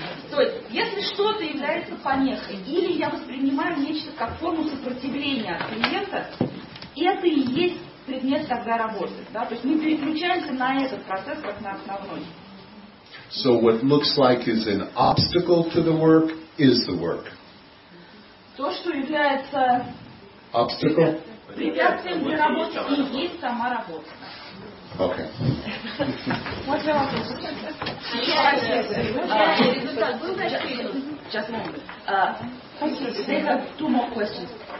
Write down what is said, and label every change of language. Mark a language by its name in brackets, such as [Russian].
[Russian] То есть, если что-то является помехой, или я воспринимаю нечто как форму сопротивления от клиента, это и есть предмет тогда работы. Да? То есть мы переключаемся на этот процесс как на основной. [English] So what looks like is an obstacle to the work is the work. [Russian] То, что является [English] obstacle? [Russian] Препятствием для работы и есть сама работа. [English] Okay. They have two more questions.